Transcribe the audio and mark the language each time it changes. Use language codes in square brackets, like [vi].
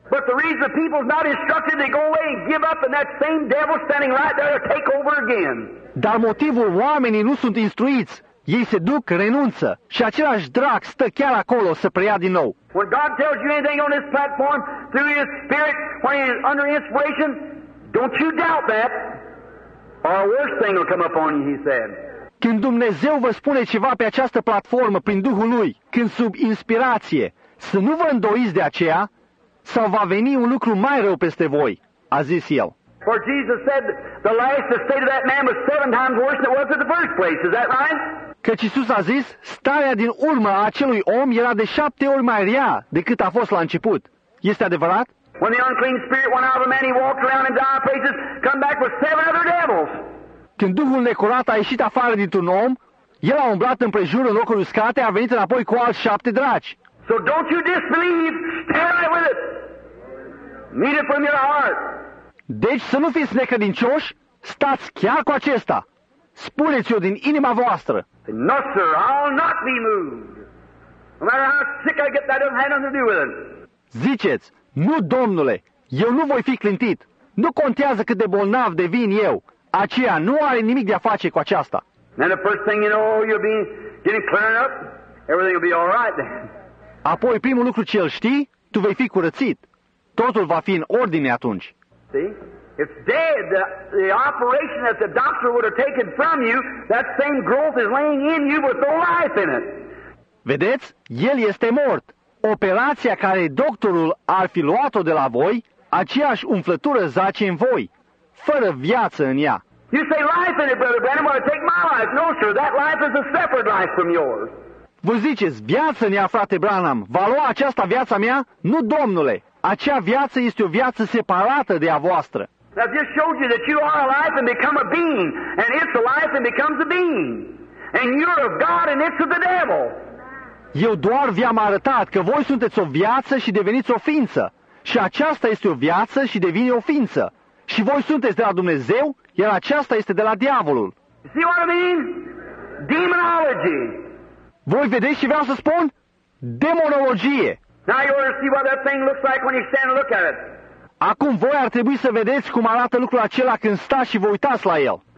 [en] But the reason people's not instructed, they go away and give up, and that same devil standing right there to take over again. [ro] Dar motivul oamenii nu sunt instruiți. Ei se duc, renunță, și același drac stă chiar acolo să preia din nou. [en] When God tells you anything on this platform, through His Spirit, when He is under inspiration, Don't you doubt that, or a worse thing will come upon you, he said. [ro] Când Dumnezeu vă spune ceva pe această platformă prin Duhul Lui, când sub inspirație, să nu vă îndoiți de aceea, sau va veni un lucru mai rău peste voi, a zis el. [en] For Jesus said the life that stayed of that man was seven times worse than it was at the first place. Is that right? [ro] Căci Iisus a zis, starea din urmă a acelui om era de șapte ori mai rea decât a fost la început. Este adevărat? [en] When the unclean spirit went out of a man, he walked around in dire places, come back with seven other devils. [ro] Când Duhul necurat a ieșit afară dintr-un om, el a umblat împrejur în locuri uscate, a venit înapoi cu alți șapte draci. [en] So don't you disbelieve, stand right with it. Meet it from your heart. [ro] Deci să nu fiți necredincioși, stați chiar cu acesta. Spuneți-o din inima voastră. [en] No, sir, I'll not be moved. No matter how sick I get, that doesn't have nothing to do with it. [ro] Ziceți, nu, Domnule, eu nu voi fi clintit. Nu contează cât de bolnav devin eu. Aceea nu are nimic de a face cu aceasta. [en] Then the first thing you know, you'll be getting cleared up. Everything will be all right. [ro] Apoi, primul lucru ce îl știi, tu vei fi curățit. Totul va fi în ordine atunci. [en] See? It's dead. The operation that the doctor would have taken from you, that same growth is laying in you with no life in it. [ro] Vedeți? El este mort. Operația care doctorul ar fi luat-o de la voi, aceeași umflătură zace în voi, fără viață în ea. [en] You say life in it, Brother Branham, want to take my life. No, sir, that life is a separate life from yours. [ro] Vă ziceți, viață în ea, frate Branham, va lua aceasta viața mea? Nu, Domnule! Acea viață este o viață separată de a voastră. [en] I've just showed you that you are alive and become a being, and it's alive and becomes a being, and you're of God and it's of the devil. [ro] Eu doar v-am arătat că voi sunteți o viață și deveniți o ființă, și aceasta este o viață și devine o ființă, și voi sunteți de la Dumnezeu, iar aceasta este de la diavolul. [en] You see what I mean? Demonology. [ro] Voi vedeți ce vreau să spun? Demonologie. [en] Now you ought to see what that thing looks like when you stand and look at it. [ro] Acum voi ar trebui să vedeți cum arată lucrul acela când stați și vă uitați la el.